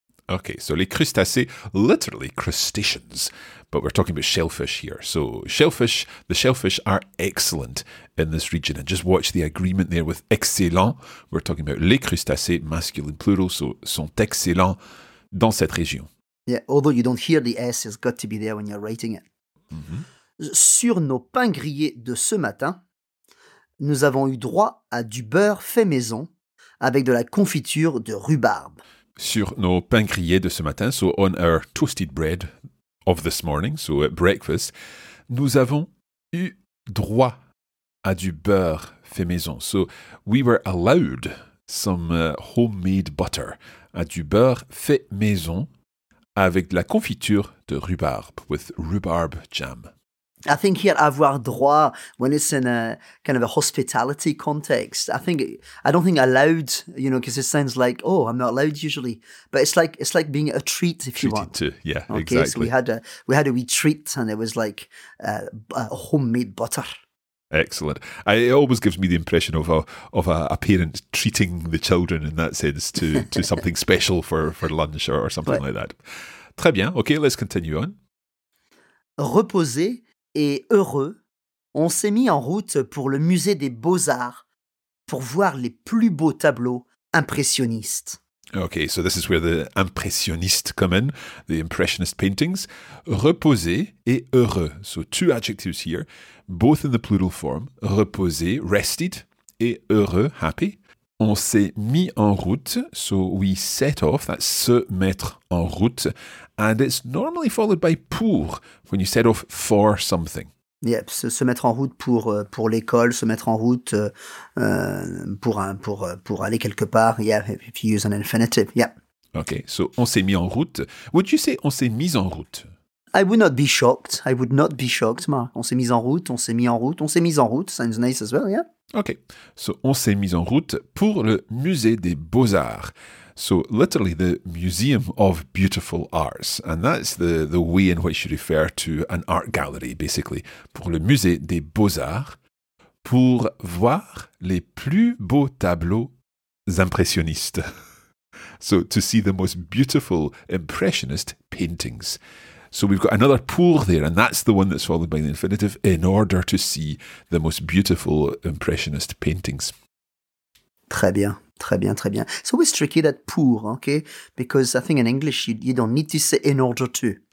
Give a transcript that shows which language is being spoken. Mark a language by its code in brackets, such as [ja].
[en] Okay, so [fr] les crustacés, [en] literally crustaceans, but we're talking about shellfish here. So shellfish, the shellfish are excellent in this region. And just watch the agreement there with excellent. We're talking about [fr] les crustacés, [en] masculine plural, so [fr] sont excellents dans cette région. [en] Yeah, although you don't hear the S, it's got to be there when you're writing it. Mm-hmm. [fr] Sur nos pains grillés de ce matin, nous avons eu droit à du beurre fait maison avec de la confiture de rhubarbe. Sur nos pains grillés de ce matin, [en] so on our toasted bread of this morning, so at breakfast, [fr] nous avons eu droit à du beurre fait maison. [en] So we were allowed some homemade butter, [fr] à du beurre fait maison avec de la confiture de rhubarbe, [en] with rhubarb jam. I think here, avoir droit, when it's in a kind of a hospitality context, I don't think allowed, you know, because it sounds like, oh, I'm not allowed usually. But it's like being a treat, if you want. Treated to, yeah, okay, exactly. Okay, so we had a wee treat and it was like homemade butter. Excellent. It always gives me the impression of a parent treating the children in that sense to something special for lunch or something like that. [fr] Très bien. [en] Okay, let's continue on. [fr] Reposer. Et heureux, on s'est mis en route pour le musée des Beaux-Arts pour voir les plus beaux tableaux impressionnistes. [en] Okay, so this is where the impressionnistes come in, the impressionist paintings. [fr] Reposer et heureux, [en] so two adjectives here, both in the plural form. [fr] Reposer, [en] rested, [fr] et heureux, [en] happy. [fr] On s'est mis en route, [en] so we set off, that's [fr] se mettre en route. [en] And it's normally followed by pour, when you set off for something. [fr] Yeah, se mettre en route pour l'école, se mettre en route pour aller quelque part. Yeah, if you use an infinitive, yeah. Okay, so on s'est mis en route. [en] Would you say [fr] on s'est mis en route? [en] I would not be shocked. I would not be shocked, Mark. [fr] On s'est mis en route, on s'est mis en route, on s'est mis en route. [en] Sounds nice as well, yeah. [fr] Okay, so on s'est mis en route pour le musée des Beaux-Arts. [en] So literally the Museum of Beautiful Arts, and that's the way in which you refer to an art gallery, basically. [fr] Pour le musée des Beaux-Arts, pour voir les plus beaux tableaux impressionnistes. [en] So to see the most beautiful impressionist paintings. So we've got another pour there, and that's the one that's followed by the infinitive, in order to see the most beautiful impressionist paintings. [fr] Très bien. Très bien, très bien. [en] It's always tricky, that pour, okay? Because I think in English, you don't need to say in order to.